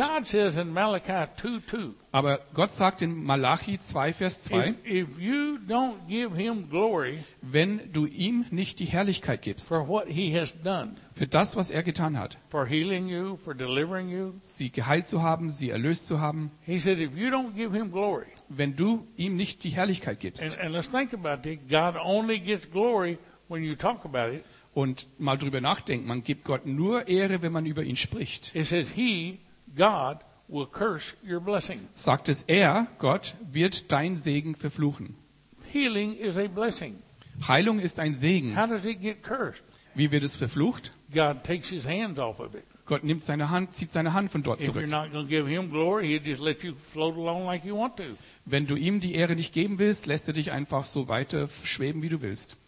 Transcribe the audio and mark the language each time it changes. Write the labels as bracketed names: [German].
[English] God says in Malachi 2:2, [German] aber Gott sagt in Malachi 2, Vers 2, [English] if you don't give him glory, [German] wenn du ihm nicht die Herrlichkeit gibst [English] for what he has done, [German] für das, was er getan hat, [English] for healing you, for delivering you, [German] sie geheilt zu haben, sie erlöst zu haben, [English] he said, if you don't give him glory, [German] wenn du ihm nicht die Herrlichkeit gibst. [English] And let's think about it. God only gets glory when you talk about it. [German] Und mal drüber nachdenken. Man gibt Gott nur Ehre, wenn man über ihn spricht. [English] It says he, God, will curse your blessing. [German] Sagt es er, Gott, wird dein Segen verfluchen. [English] Healing is a blessing. [German] Heilung ist ein Segen. [English] How does it get cursed? [German] Wie wird es verflucht? [English] God takes his hands off of it. [German] Gott nimmt seine Hand, zieht seine Hand von dort zurück. Wenn du ihm die Ehre nicht geben willst, lässt er dich einfach so weiter schweben, wie du willst.